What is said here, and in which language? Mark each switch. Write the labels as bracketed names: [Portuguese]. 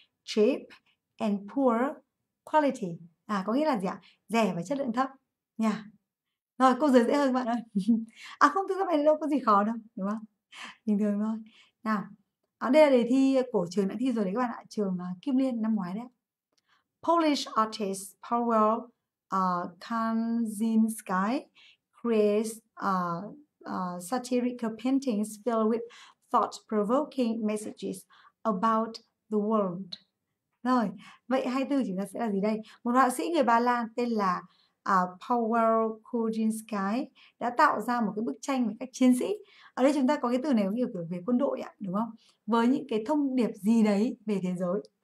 [English] Cheap and poor quality. [Vietnamese] Có nghĩa là gì ạ? Rẻ và chất lượng thấp nha. Rồi câu dưới dễ hơn bạn ơi. không, thưa các bạn đâu có gì khó đâu, đúng không? Bình thường thôi. Nào. Đây là đề thi của trường đã thi rồi đấy các bạn ạ, trường Kim Liên năm ngoái đấy. [English] Polish artist Paweł Kaczyński creates satirical paintings filled with thought-provoking messages about the world. [Vietnamese] Rồi, vậy 24 chúng ta sẽ là gì đây? Một họa sĩ người Ba Lan tên là Paweł Kaczyński đã tạo ra một cái bức tranh về các chiến sĩ. Ở đây chúng ta có cái từ này có nghĩa kiểu về quân đội ạ, đúng không? Với những cái thông điệp gì đấy về thế giới.